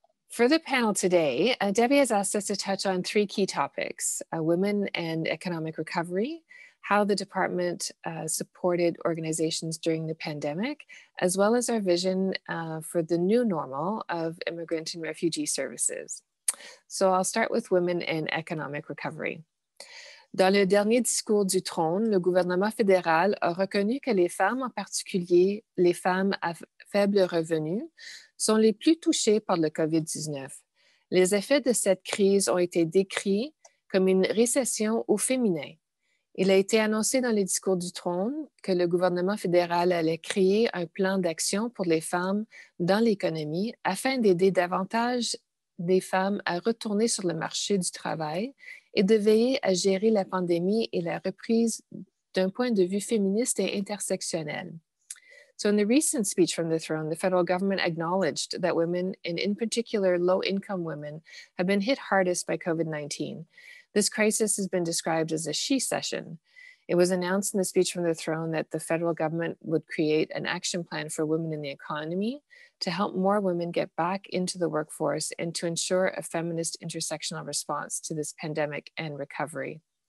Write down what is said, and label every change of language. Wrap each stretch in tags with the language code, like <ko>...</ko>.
<en>For the panel today, Debbie has asked us to touch on three key topics, women and economic recovery, how the department supported organizations during the pandemic, as well as our vision for the new normal of immigrant and refugee services. So I'll start with women and economic recovery.</en> <fr>Dans le dernier discours du trône, le gouvernement fédéral a reconnu que les femmes, en particulier les femmes à faible revenu, sont les plus touchés par le COVID-19. Les effets de cette crise ont été décrits comme une récession au féminin. Il a été annoncé dans les discours du trône que le gouvernement fédéral allait créer un plan d'action pour les femmes dans l'économie afin d'aider davantage des femmes à retourner sur le marché du travail et de veiller à gérer la pandémie et la reprise d'un point de vue féministe et intersectionnel.</fr> <en>So in the recent speech from the throne, the federal government acknowledged that women, and in particular low-income women, have been hit hardest by COVID-19. This crisis has been described as a she session. It was announced in the speech from the throne that the federal government would create an action plan for women in the economy to help more women get back into the workforce and to ensure a feminist intersectional response to this pandemic and recovery.</en>